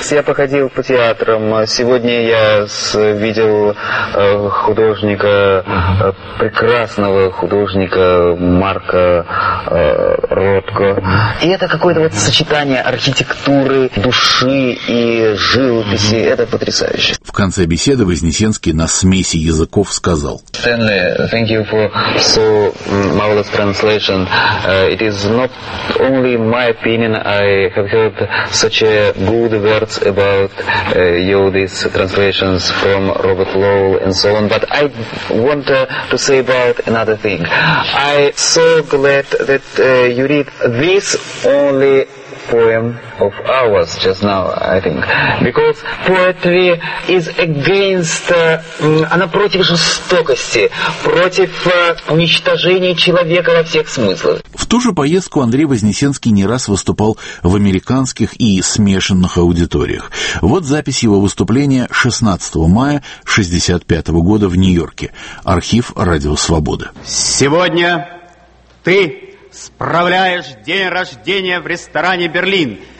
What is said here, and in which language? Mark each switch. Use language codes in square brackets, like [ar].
[ru] Я походил по театрам, сегодня я видел художника, прекрасного художника Марка Ротко. И это какое-то вот сочетание архитектуры, души и живописи. Mm-hmm. Это потрясающе. В конце беседы Вознесенский на смеси языков сказал: [en] Stanley, thank you for so marvelous translation. It is not only my opinion. I have heard such a good words about you, these translations from Robert Lowell and so on. But I want to say about another thing. I so glad that you read this only poem of ours just now, I think, because poetry is against, [ru] она против жестокости, против уничтожения человека во всех смыслах. В ту же поездку Андрей Вознесенский не раз выступал в американских и смешанных аудиториях. Вот запись его выступления 16 мая 65 года в Нью-Йорке. Архив «Радио Свободы». Сегодня ты справляешь день рождения в ресторане «Берлин».